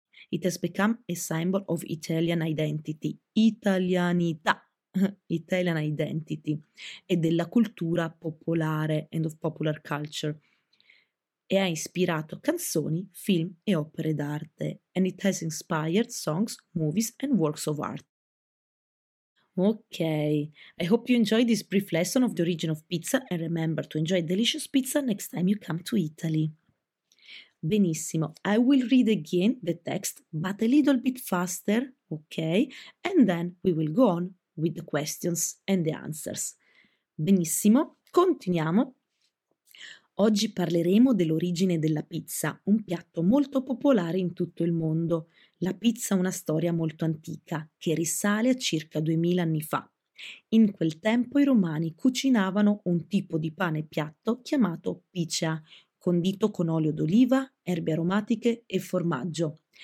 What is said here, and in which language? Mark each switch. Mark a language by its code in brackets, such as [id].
[en] It has become a symbol of Italian identity, italianità, Italian identity, [it] e della cultura popolare [en] and of popular culture. [it] E ha ispirato canzoni, film e opere d'arte. [en] And it has inspired songs, movies and works of art. Okay, I hope you enjoyed this brief lesson of the origin of pizza and remember to enjoy delicious pizza next time you come to Italy. Benissimo, I will read again the text, but a little bit faster, okay? And then we will go on with the questions and the answers. [it] Benissimo, continuiamo. Oggi parleremo dell'origine della pizza, un piatto molto popolare in tutto il mondo. La pizza ha una storia molto antica, che risale a circa 2000 anni fa. In quel tempo i romani cucinavano un tipo di pane piatto chiamato picea, condito con olio d'oliva, erbe aromatiche e formaggio.